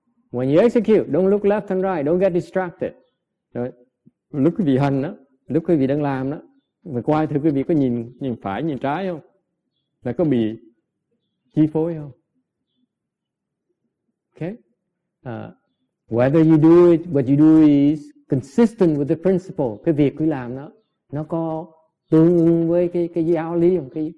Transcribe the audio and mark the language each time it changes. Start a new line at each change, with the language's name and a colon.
English: When you execute, don't look left and right. Don't get distracted.
Vietnamese: Lúc quý vị hành đó, lúc quý vị đang làm đó, mà quay thử quý vị có nhìn phải, nhìn trái không? Là có bị chi phối không?
English: Okay? Whether you do it, what you do is consistent with the principle.
Vietnamese: Cái việc quý làm đó, nó có tương ứng với cái giáo lý không?